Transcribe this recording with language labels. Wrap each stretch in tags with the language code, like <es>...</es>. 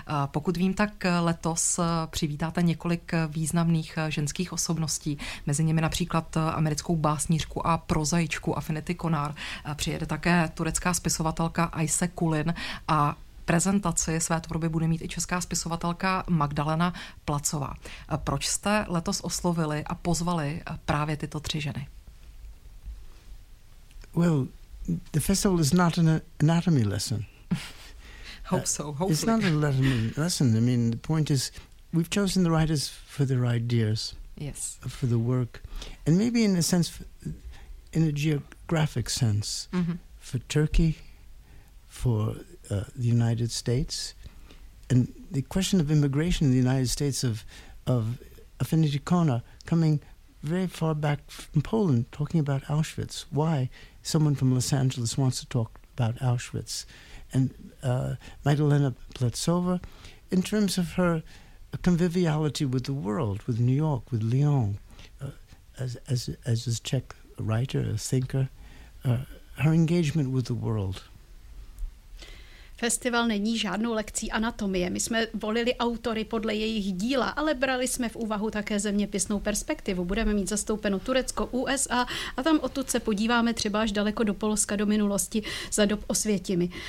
<cs>Pokud vím, tak letos přivítáte několik významných ženských osobností, mezi nimi například americkou básnířku a prozaičku Affinity Konar. Přijede také turecká spisovatelka Ayse Kulin a prezentaci své tvorby bude mít i česká spisovatelka Magdalena Placová. Proč jste letos oslovili a pozvali právě tyto tři ženy?</cs> <en>Well, the festival is not an anatomy lesson. Hope so, hopefully. It's not an anatomy lesson. I mean, the point is, we've chosen the writers for their ideas. Yes. For the work. And maybe in a sense, in a geographic sense. Mm-hmm. For Turkey, for the United States, and the question of immigration in the United States of Affinity Konar coming very far back from Poland, talking about Auschwitz. Why someone from Los Angeles wants to talk about Auschwitz, and Magdalena Placová, in terms of her conviviality with the world, with New York, with Lyon, as a Czech writer, a thinker. Her engagement with the world.</en> <cs>Festival není žádnou lekcí anatomie. My jsme volili autory podle jejich díla, ale brali jsme v úvahu také zeměpisnou perspektivu. Budeme mít zastoupeno Turecko, USA a tam odtud se podíváme třeba až daleko do Polska, do minulosti, za dob Osvětimi.</cs>